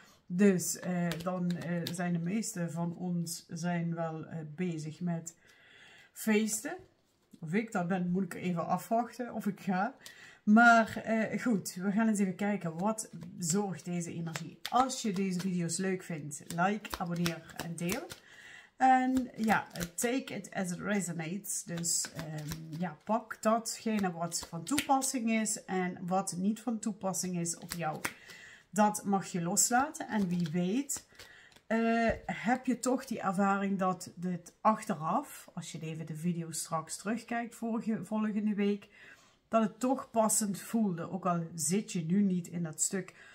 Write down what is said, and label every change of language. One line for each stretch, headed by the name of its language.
Dutch: Dus dan zijn de meeste van ons zijn wel bezig met feesten. Of ik dat ben, moet ik even afwachten of ik ga. Maar goed, we gaan eens even kijken wat zorgt deze energie. Als je deze video's leuk vindt, like, abonneer en deel. En ja,
English: take it as it resonates.
Dutch: Dus ja, pak datgene wat van toepassing is en wat niet van toepassing is op jou. Dat mag je loslaten en wie weet heb je toch die ervaring dat dit achteraf, als je even de video straks terugkijkt volgende week, dat het toch passend voelde, ook al zit je nu niet in dat stuk.